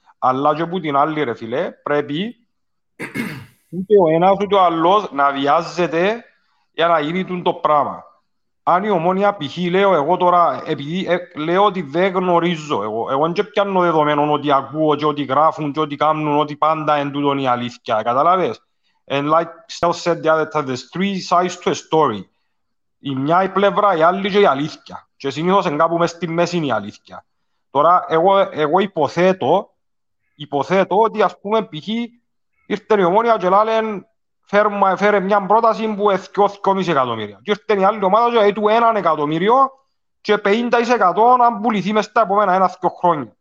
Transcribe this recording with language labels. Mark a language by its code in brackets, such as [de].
[el] Αλλά και που την άλλη ρε φίλε, πρέπει ούτε ο ένας ούτε ο άλλος να βιάζεται για να γίνει το πράγμα. Αν η ομόνια π.χ. λέω εγώ τώρα, επειδή λέω ότι δεν γνωρίζω, εγώ δεν πιάνω δεδομένο ότι ακούω και ότι γράφουν και ότι κάνουν, ότι πάντα εν τούτον η αλήθεια, καταλάβες. [en] And like Stel said the other time, there's three sides to a story. [el] Η μια η πλευρά, η άλλη και η αλήθεια. Και συνήθως κάπου μέσα στη μέση είναι η αλήθεια. Τώρα εγώ υποθέτω ότι ας πούμε π.χ. ήρθε η ομόνια και λένε φέρε μια πρόταση που έχει 2,5 εκατομμύρια. Και έρχεται η άλλη ομάδα και έτου 1 εκατομμύριο και 50% να πουληθεί μες τα επόμενα 1-2 χρόνια.